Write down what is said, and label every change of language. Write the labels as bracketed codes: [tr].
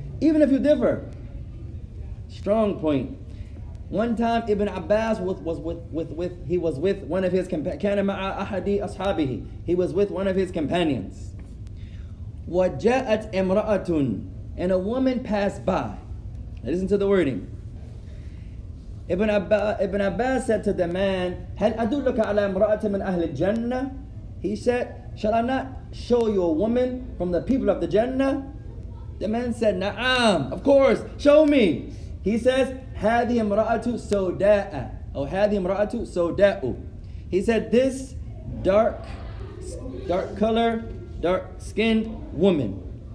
[en] Even if you differ, strong point. One time Ibn Abbas was with one of his companions, [ar] كان مع أحد أصحابه. [en] He was with one of his companions. [ar] وجاءت امرأة, [en] and a woman passed by. Now listen to the wording. Ibn Abbas said to the man, [ar] هل أدلك على امرأة من أهل الجنة? [en] He said, shall I not show you a woman from the people of the Jannah? The man said, na'am, of course, show me. He says, [ar] hadhi imra'atu sawda'a. [en] Oh, [ar] hadhi imra'atu sawda'u. [en] He said, this dark color, dark skinned woman.